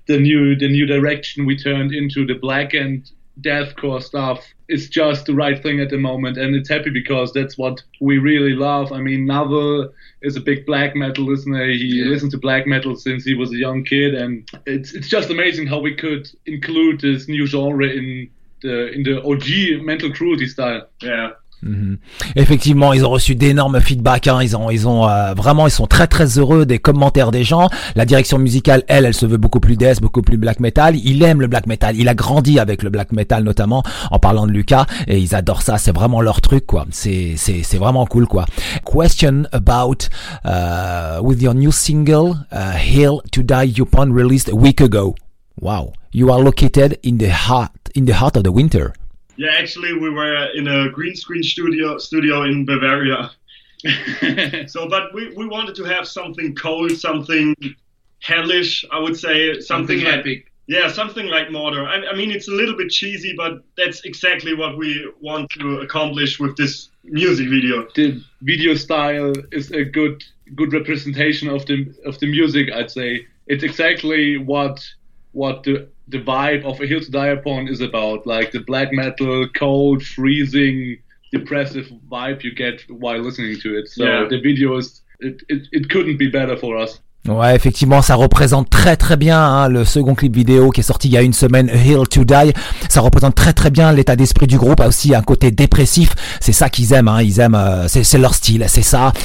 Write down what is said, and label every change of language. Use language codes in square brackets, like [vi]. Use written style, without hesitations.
[en] The new direction we turned into, the black and deathcore stuff, is just the right thing at the moment, and it's happy because that's what we really love. I mean, Nadal is a big black metal listener. He listens to black metal since he was a young kid, and it's just amazing how we could include this new genre in the OG Mental Cruelty style. Yeah. [fr] Effectivement, ils ont reçu d'énormes feedbacks, hein. Ils sont très très heureux des commentaires des gens. La direction musicale, elle se veut beaucoup plus death, beaucoup plus black metal. Il aime le black metal. Il a grandi avec le black metal, notamment en parlant de Lucas, et ils adorent ça. C'est vraiment leur truc, quoi. C'est vraiment cool, quoi. [en] Question about with your new single Hill to Die Upon released a week ago. Wow. You are located in the heart of the winter. Yeah, actually, we were in a green screen studio in Bavaria. So, but we wanted to have something cold, something hellish, I would say. Something epic. Yeah, something like Mortar. I mean, it's a little bit cheesy, but that's exactly what we want to accomplish with this music video. The video style is a good representation of the music, I'd say. It's exactly what the vibe of A Hill to Die Upon is about. Like the black metal, cold, freezing, depressive vibe you get while listening to it. So yeah. The video is it couldn't be better for us. [fr] Ouais, effectivement, ça représente très très bien hein, le second clip vidéo qui est sorti il y a une semaine, A Hill to Die. Ça représente très très bien l'état d'esprit du groupe, a aussi un côté dépressif. C'est ça qu'ils aiment, hein. Ils aiment, c'est leur style, c'est ça.